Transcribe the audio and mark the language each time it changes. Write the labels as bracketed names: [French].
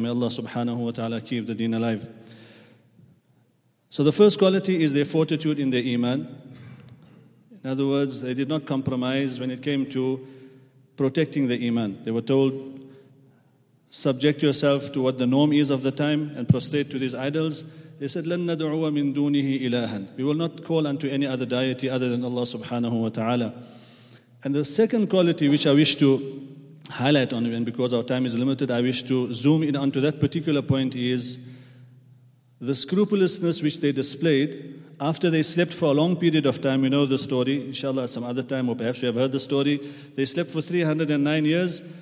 [English] May Allah subhanahu wa ta'ala keep the deen alive. So the first quality is their fortitude in their iman. In other words, they did not compromise when it came to protecting the iman. They were told, subject yourself to what the norm is of the time and prostrate to these idols. They said, [Arabic] لَن نَدْعُوَ مِن دُونِهِ إِلَٰهًا. [English] We will not call unto any other deity other than Allah subhanahu wa ta'ala. And the second quality which I wish to highlight on, and because our time is limited, I wish to zoom in onto that particular point, is the scrupulousness which they displayed after they slept for a long period of time. You know the story, inshallah, at some other time, or perhaps you have heard the story. They slept for 309 years.